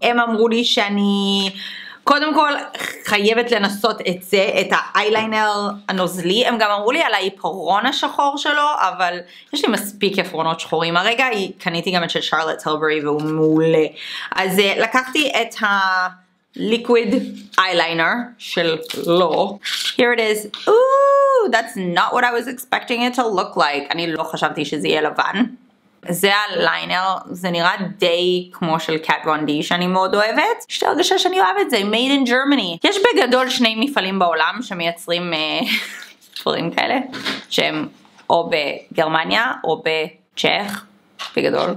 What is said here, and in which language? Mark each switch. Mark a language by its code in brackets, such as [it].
[he] הם אמרו לי שאני קודם כל חייבת לנסות את זה, את האייליינר הנוזלי. הם גם אמרו לי על העיפרון השחור שלו, אבל יש לי מספיק עפרונות שחורים. הרגע קניתי גם את של שרלוט טלברי והוא מעולה. אז לקחתי את ה [en] liquid eyeliner [he] של לא. [en] Here it is. Ooh, that's not what I was expecting it to look like. [he] אני לא חשבתי שזה יהיה לבן. זה הליינר, זה נראה די כמו של Kat Von D שאני מאוד אוהבת. יש לי הרגשה שאני אוהב את זה, [en] made in Germany. [he] יש בגדול שני מפעלים בעולם שמייצרים דברים כאלה, שהם או בגרמניה או בצ'ך. בגדול.